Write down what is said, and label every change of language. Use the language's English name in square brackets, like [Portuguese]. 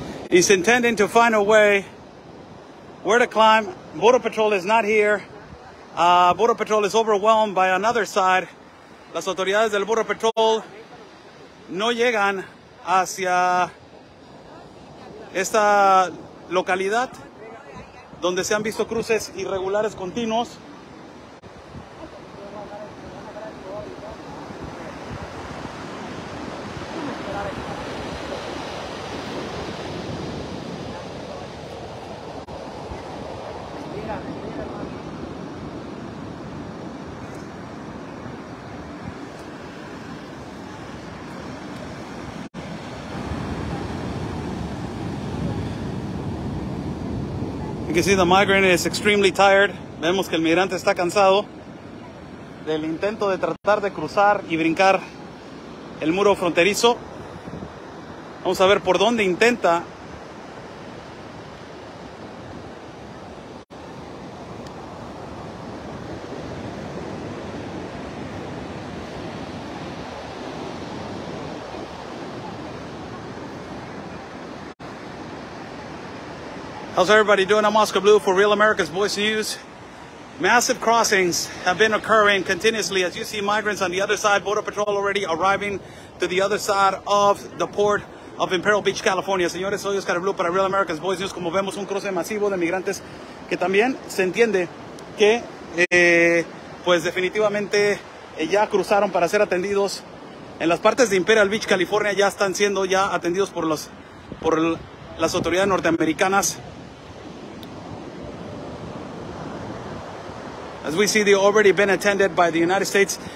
[English] He's intending to find a way where to climb. Border Patrol is not here. Border Patrol is overwhelmed by another side. [Spanish] Las autoridades del Border Patrol no llegan hacia esta localidad donde se han visto cruces irregulares continuos. [English] You can see the migrant is extremely tired. [Spanish] Vemos que el migrante está cansado del intento de tratar de cruzar y brincar el muro fronterizo. Vamos a ver por dónde intenta. [English] How's everybody doing? I'm Oscar Blue for Real America's Voice News. Massive crossings have been occurring continuously as you see migrants on the other side. Border Patrol already arriving to the other side of the port of Imperial Beach, California. [Spanish] Señores, soy Oscar Blue para Real America's Voice News. Como vemos, un cruce masivo de migrantes que también se entiende que pues definitivamente ya cruzaron para ser atendidos. En las partes de Imperial Beach, California, ya están siendo ya atendidos por los por las autoridades norteamericanas. [English] As we see, they've already been attended by the United States.